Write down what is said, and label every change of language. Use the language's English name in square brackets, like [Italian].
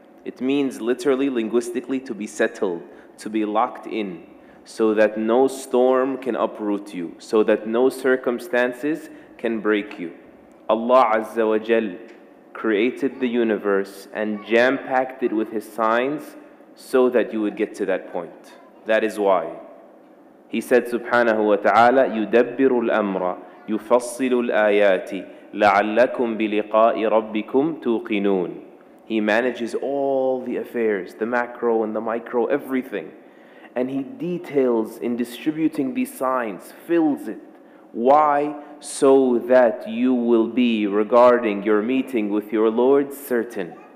[English] It means literally, linguistically, to be settled, to be locked in, so that no storm can uproot you, so that no circumstances can break you. Allah Azza wa Jal created the universe and jam-packed it with His signs so that you would get to that point. That is why. He said, [Arabic] subhanahu wa ta'ala, يُدَبِّرُ الْأَمْرَ يُفَصِّلُ الْآيَاتِ لَعَلَّكُمْ بِلِقَاءِ رَبِّكُمْ تُوقِنُونَ. [English] He manages all the affairs, the macro and the micro, everything. And He details in distributing these signs, fills it. Why? So that you will be, regarding your meeting with your Lord, certain.